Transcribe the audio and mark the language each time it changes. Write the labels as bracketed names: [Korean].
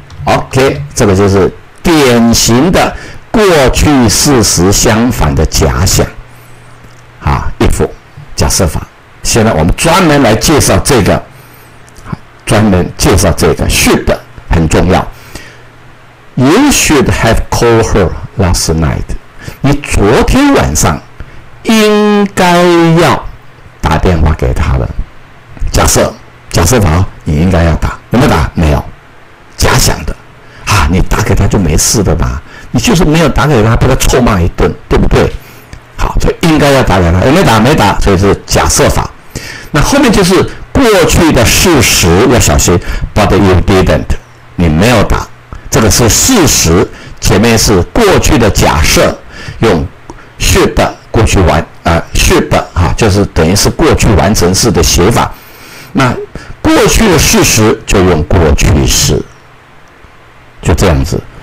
[Chinese] OK， 这个就是典型的过去事实相反的假想。好。设法。现在我们专门来介绍这个，专门介绍这个 should 很重要。 [English] You should have called her last night. [Chinese] 你昨天晚上应该要打电话给她了。假设法，你应该要打，有没有打？没有，假想的。啊，你打给她就没事的吧？你就是没有打给她，被她臭骂一顿，对不对？好，所以应该要打给她，有没有打？没打，所以是假设法。那后面就是过去的事实，要小心。 [English] But you didn't， [Chinese] 你没有打。这个是事实，前面是过去的假设，用 should 过去完啊、should 哈、啊，就是等于是过去完成式的写法。那过去的事实就用过去式，就这样子。